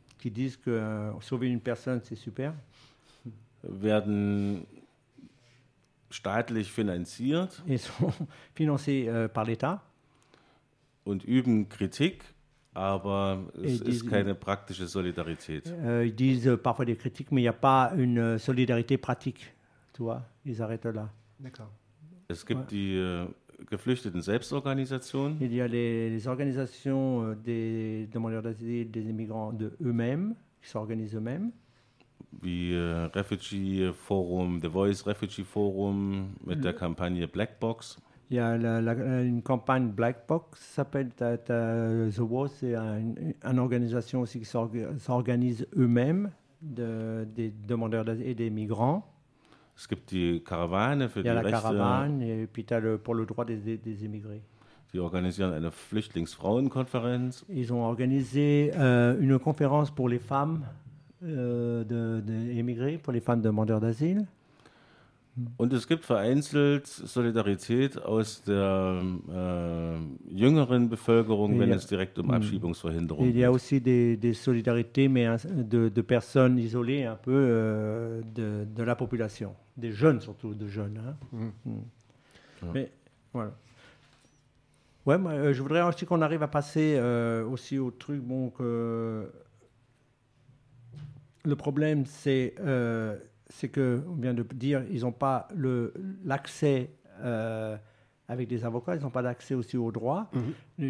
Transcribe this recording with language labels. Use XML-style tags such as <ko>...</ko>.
<fr>Qui disent que sauver une personne, c'est super.</fr> <de>Werden staatlich finanziert.</de> <fr>Ils sont financés par l'État.</fr> <de>Und üben Kritik. Aber es ist keine praktische Solidarität.</de> <fr>Ils disent parfois des critiques, mais il n'y a pas une solidarité pratique. Tu vois, ils arrêtent là. D'accord.</fr> <de>Es gibt die geflüchteten Selbstorganisationen.</de> <fr>Il y a les organisations des demandeurs d'asile, des immigrants de eux-mêmes, qui s'organisent eux-mêmes.</fr> <de>Wie Refugee Forum, The Voice Refugee Forum, mit der Kampagne Black Box.</de> <fr>Il y a une campagne Black Box, ça s'appelle The Voice, c'est une organisation aussi qui s'organise eux-mêmes des demandeurs d'asile et des migrants.</fr> <de>Es gibt die Karawane für die Rechte.</de> <fr>Il y a la caravane et puis t'as pour le droit des immigrés.</fr> <de>Die organisieren eine Flüchtlingsfrauenkonferenz.</de> <fr>Ils ont organisé une conférence pour les femmes d'immigrés, pour les femmes demandeurs d'asile.</fr> <de>Und es gibt vereinzelt Solidarität aus der jüngeren Bevölkerung, wenn es direkt um Abschiebungsverhinderung geht.</de> <fr>Il y a aussi des solidarités, mais de personnes isolées, un peu de la population, des jeunes surtout, de jeunes. Hein. Mm. Mais voilà. Ouais, moi, je voudrais aussi qu'on arrive à passer aussi au truc. Bon, que le problème, c'est que, on vient de dire, ils n'ont pas l'accès avec des avocats, ils n'ont pas d'accès aussi aux droits. Mm-hmm.</fr>